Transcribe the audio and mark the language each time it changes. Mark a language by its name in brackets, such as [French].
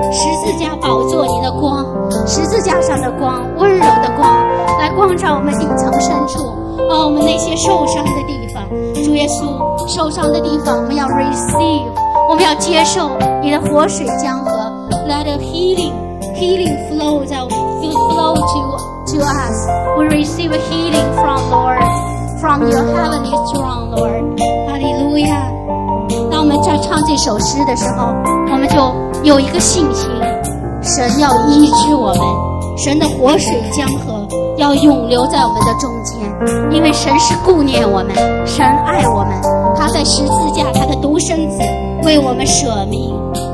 [Chinese] 十字架宝座你的光，十字架上的光，温柔的光来光照我们底层深处，哦，我们那些受伤的地方。主耶稣，受伤的地方我们要 receive， 我们要接受你的活水江河。 [English] Let a healing flow to us. We receive healing from Lord, from your heavenly throne, Lord. Hallelujah. [Chinese] 当我们在唱这首诗的时候，我们就有一个信心，神要医治我们，神的活水江河要永留在我们的中间，因为神是顾念我们，神爱我们，他在十字架，他的独生子为我们舍命。